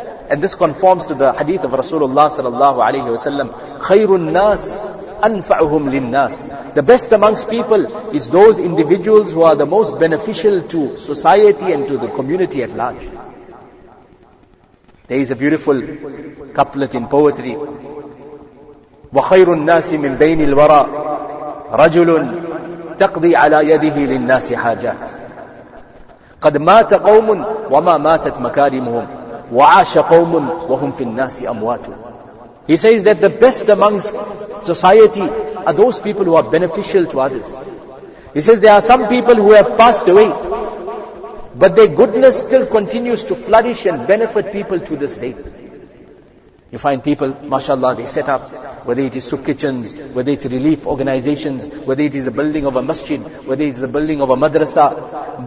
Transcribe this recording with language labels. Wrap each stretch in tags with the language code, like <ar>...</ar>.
<en>And this conforms to the hadith of Rasulullah sallallahu alayhi wa sallam.</en> <ar>Khairun nas anfa'uhum linnas.</ar> <en>The best amongst people is those individuals who are the most beneficial to society and to the community at large. There is a beautiful couplet in poetry.</en> <ar>Wa khairun nas min bainil wara rajulun تقضي على يده للناس حاجات قد مات قوم وما ماتت مكارمهم وعاش قوم وهم في الناس أموات.</ar> <en>He says that the best amongst society are those people who are beneficial to others. He says there are some people who have passed away, but their goodness still continues to flourish and benefit people to this day. You find people, mashallah, they set up, whether it is soup kitchens, whether it's relief organizations, whether it is the building of a masjid, whether it's the building of a madrasa.</en>